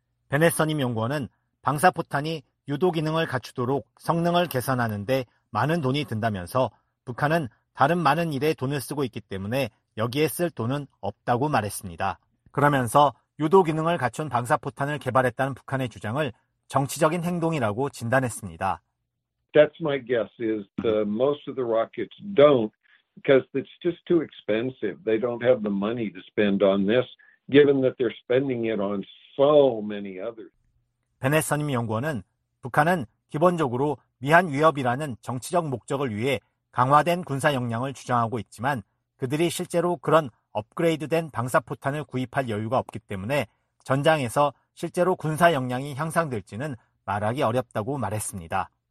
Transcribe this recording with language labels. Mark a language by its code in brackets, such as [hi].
[ko] 베넷 선임 연구원은 방사포탄이 유도 기능을 갖추도록 성능을 개선하는데 많은 돈이 든다면서 북한은 다른 많은 일에 돈을 쓰고 있기 때문에 여기에 쓸 돈은 없다고 말했습니다. 그러면서 유도 기능을 갖춘 방사포탄을 개발했다는 북한의 주장을 정치적인 행동이라고 진단했습니다. [en] That's my guess is the most of the rockets don't because it's just too expensive. They don't have the money to spend on this given that they're spending it on so many others. [ko] 베넷 선임 연구원은 북한은 기본적으로 미한 위협이라는 정치적 목적을 위해 강화된 군사 역량을 주장하고 있지만 그들이 실제로 그런 업그레이드된 방사포탄을 구입할 여유가 없기 때문에 전장에서 실제로 군사 역량이 향상될지는 말하기 어렵다고 말했습니다.